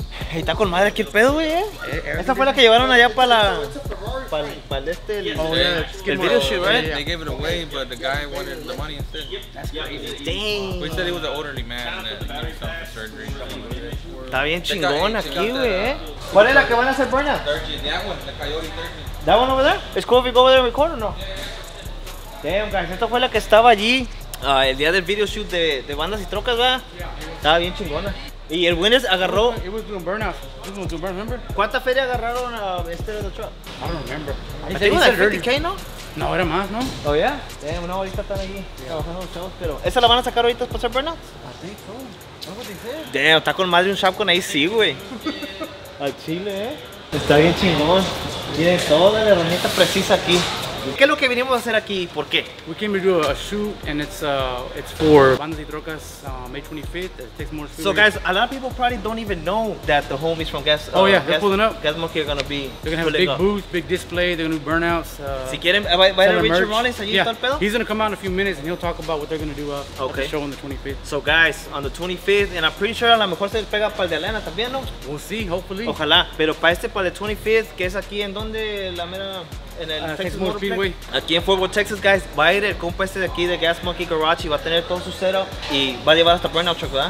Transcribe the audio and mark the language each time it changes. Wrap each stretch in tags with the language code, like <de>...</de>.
<es>Hey, está con madre aquí el pedo, güey, eh. Esta fue la que llevaron allá para la... Para este...</es> <en>Oh, yeah. El video shit, right? They gave it away, but the guy wanted the money instead. That's crazy. Dang. We said he was an elderly man that needed something for surgery.</en> <es>Está bien chingón aquí, güey, eh. ¿Cuál es la que van a hacer burnout?</es> <en>That one, the Coyote 13. That one over there? It's cool if you go over there and record or no? Yeah. Damn, guys,</en> <es>esta fue la que estaba allí. El día del video shoot de Bandas y Trocas, ¿verdad? Estaba bien chingona. Y el Winners agarró...</es> <en>It was doing burnout. It was doing burnout, remember?</en> <es>¿Cuánta feria agarraron a este de truck?</es> <en>I don't remember. I think it was like 30K,</en> <es>¿no? No, era más, ¿no?</es> <en>Oh, yeah?</en> <es>Damn, no, ahorita están allí trabajando los chavos, pero... ¿Esa la van a sacar ahorita para hacer burnout?</es> <en>I think so. That's what they said.</en> <es>Damn, está con más de un shop con ahí, sí, güey. Al chile, ¿eh? Está bien chingón. Tiene toda la herramienta precisa aquí. ¿Qué es lo que vinimos a hacer aquí? ¿Por qué?</es> <en>We came to do a shoot and it's for Bandas y Trocas May 25th. It takes more. So guys, a lot of people probably don't even know that the homies from Gas. Oh yeah, they're pulling up. Gas Monkey are gonna be. They're gonna have a big booth, big display. They're gonna do burnouts.</en> <es>Si quieren, vaya a Richard Rollins.</es> <en>Yeah. He's gonna come out in a few minutes and he'll talk about what they're gonna do at the show on the 25th. So guys, on the 25th, and I'm pretty sure</en> <es>a lo mejor se pega para el de Atlanta también, ¿no?</es> <en>We'll see, hopefully.</en> <es>Ojalá, pero para este para el 25th, que es aquí en donde la mera. En el Texas Motor Speedway. Aquí en Fort Worth, Texas, guys, va a ir el compa este de aquí de Gas Monkey Garage y va a tener todo su setup y va a llevar hasta Burnout Truck, ¿verdad?</es>